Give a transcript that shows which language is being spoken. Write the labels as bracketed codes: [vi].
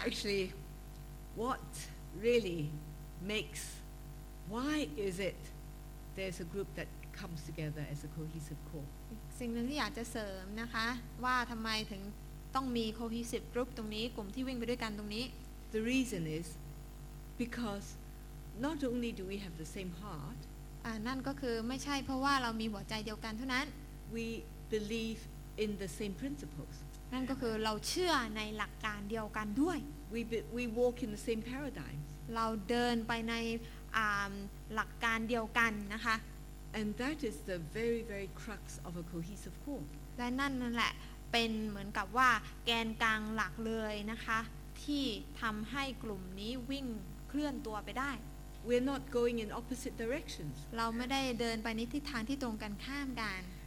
[en] Actually, what really makes, why is it there's a group that comes together as a cohesive core? [th] สิ่งหนึ่งที่อยากจะเสริมนะคะว่าทำไมถึงต้องมี cohesive group ตรงนี้กลุ่มที่วิ่งไปด้วยกันตรงนี้ [en] The reason is because not only do we have the same heart, [th] นั่นก็คือไม่ใช่เพราะว่าเรามีหัวใจเดียวกันเท่านั้น [en] We believe in the same principles [th] นั่นก็คือเราเชื่อในหลักการเดียวกันด้วย [en] We walk in the same paradigm [th] เราเดินไปในหลักการเดียวกันนะคะ [en] And that is the very very crux of a cohesive core [th] และนั่นแหละเป็นเหมือนกับว่าแกนกลางหลักเลยนะคะที่ทำให้กลุ่มนี้วิ่งเคลื่อนตัวไปได้ [en] We're not going in opposite directions. [th] เราไม่ได้เดินไปในทิศทางที่ตรงกันข้ามกัน